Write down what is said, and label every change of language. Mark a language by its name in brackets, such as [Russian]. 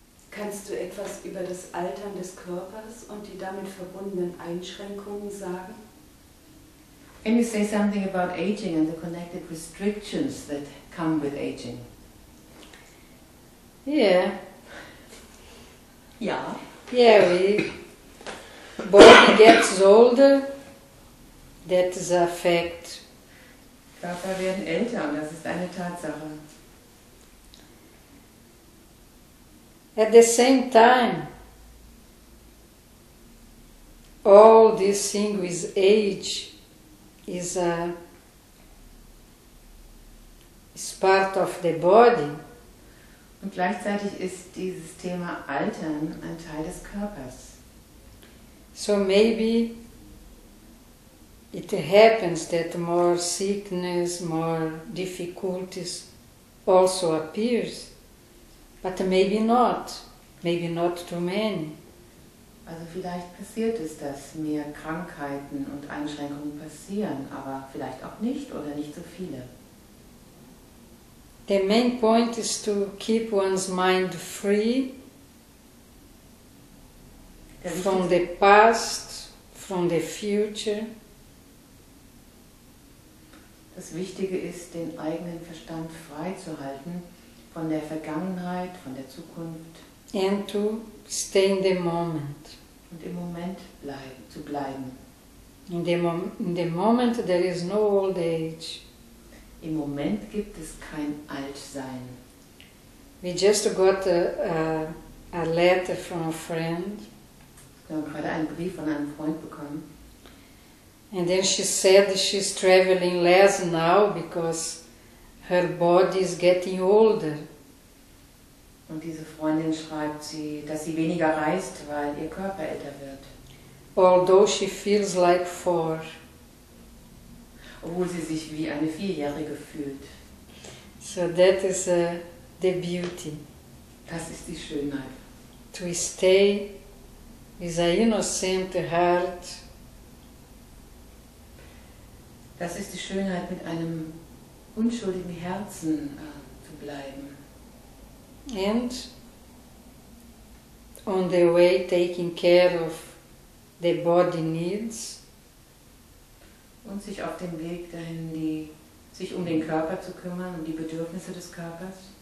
[German] Kannst du etwas über das Altern des Körpers und die damit verbundenen Einschränkungen sagen? [English] Can you say something about aging and the connected restrictions that come with aging? Yeah. Yeah. Yeah, we body gets older, that is a fact. [German] Körper werden älter, das ist eine Tatsache. [English] At the same time, all this thing with age is part of the body. [German] Und gleichzeitig ist dieses Thema Altern ein Teil des Körpers. [English] So maybe it happens that more sickness, more difficulties also appears. But maybe not too many. [German] Also vielleicht passiert es, dass mehr Krankheiten und Einschränkungen passieren, aber vielleicht auch nicht oder nicht so viele. [English] The main point is to keep one's mind free from the past, from the future. [German] Das Wichtige ist, den eigenen Verstand frei zu halten. Von der Vergangenheit, von der Zukunft. [English] And to stay in the moment. [German] Und im Moment zu bleiben. [English] In the moment there is no old age. [German] Im Moment gibt es kein Altsein. [English] We just got a letter from a friend. [German] Wir haben gerade einen Brief von einem Freund bekommen. [English] And then she said she's traveling less now because her body is getting older. [German] Und diese Freundin schreibt sie, dass sie weniger reist, weil ihr Körper älter wird. [English] Although she feels like 4. [German] Obwohl sie sich wie eine Vierjährige fühlt. [English] So that is the beauty. [German] Das ist die Schönheit. [English] To stay with an innocent heart. [German] Das ist die Schönheit, mit einem unschuldigen Herzen zu bleiben. [English] And on the way taking care of the body needs. [German] Und sich auf dem Weg dahin, sich um den Körper zu kümmern, um die Bedürfnisse des Körpers.